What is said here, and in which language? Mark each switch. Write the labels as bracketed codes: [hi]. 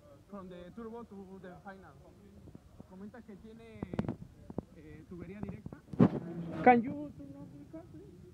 [en] From the turbo to the final. [es] Comenta que tiene tubería directa. [en] Can you turn off the car, please?